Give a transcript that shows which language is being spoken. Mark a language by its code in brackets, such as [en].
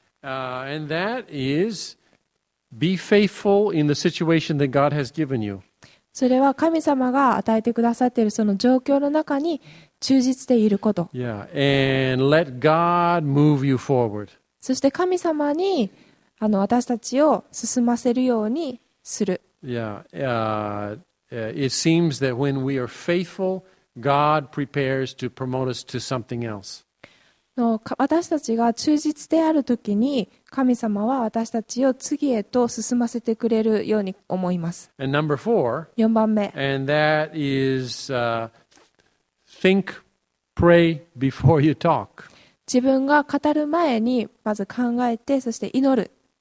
[en] And that is be faithful in the situation that God has given you. [ja] それは神様が与えてくださっているその状況の中に忠実でいること。 [en] Yeah. And let God move you forward. [ja] そして神様に私たちを進ませるようにする。 [en] Yeah. It seems that when we are faithful, God prepares to promote us to something else. [ja] 私たちが忠実であるときに神様は私たちを次へと進ませてくれるように思います。 [en] And number four, [ja] 4番目。 [en] And that is, think, pray before you talk. [ja] 自分が語る前にまず考えて、そして祈る。